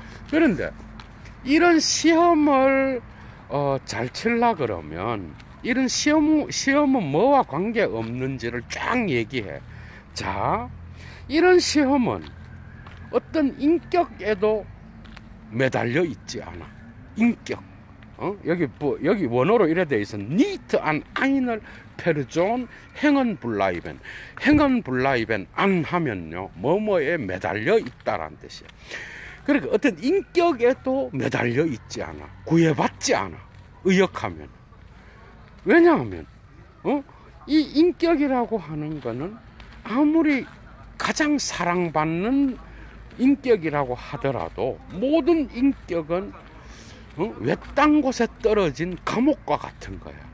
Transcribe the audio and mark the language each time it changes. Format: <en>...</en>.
<ko>그런데 이런 시험을 잘 칠라 그러면 이런 시험은 뭐와 관계 없는지를 쫙 얘기해. 자, 이런 시험은 어떤 인격에도 매달려 있지 않아. 인격, 여기 원어로 이래 돼 있어.</ko> <de>Nicht an einer Person hängen bleiben. hängen bleiben an</de> <ko>하면요, 뭐뭐에 매달려 있다란 뜻이야. 그러니까 어떤 인격에도 매달려 있지 않아. 구애받지 않아. 의역하면. 왜냐하면, 이 인격이라고 하는 거는 아무리 가장 사랑받는 인격이라고 하더라도 모든 인격은 외딴 곳에 떨어진 감옥과 같은 거야.</ko>